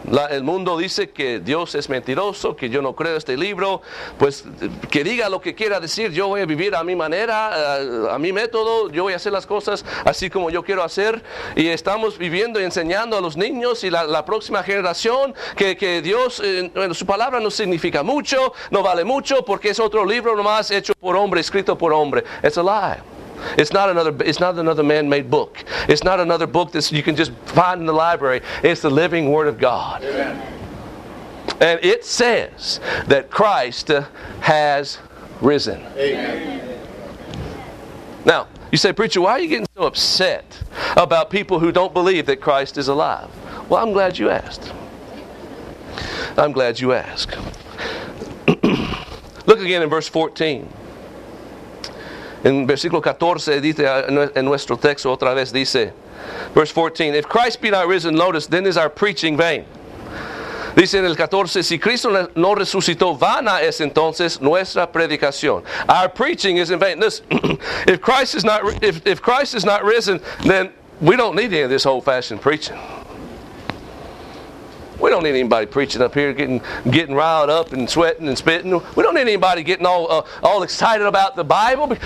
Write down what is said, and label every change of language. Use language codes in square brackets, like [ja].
[es] El mundo dice que Dios es mentiroso, que yo no creo este libro, pues que diga lo que quiera decir, yo voy a vivir a mi manera, a mi método, yo voy a hacer las cosas así como yo quiero hacer, y estamos viviendo y enseñando a los niños y la próxima generación que Dios, bueno, su palabra no significa mucho, no vale mucho, porque es otro libro nomás hecho por hombre, escrito por hombre. [en] It's a lie. It's not another man-made book. It's not another book that you can just find in the library. It's the living Word of God. Amen. And it says that Christ has risen. Amen. Now, you say, preacher, why are you getting so upset about people who don't believe that Christ is alive? Well, I'm glad you asked. I'm glad you asked. Look again in verse 14. In [es] versículo 14, dice, en nuestro texto otra vez dice, [en] verse 14, if Christ be not risen, notice, then is our preaching vain. [es] Dice en el 14, si Cristo no resucitó, vana es entonces nuestra predicación. [en] Our preaching is in vain. Listen, if Christ is not risen, then we don't need any of this old-fashioned preaching. We don't need anybody preaching up here, getting riled up and sweating and spitting. We don't need anybody getting all excited about the Bible.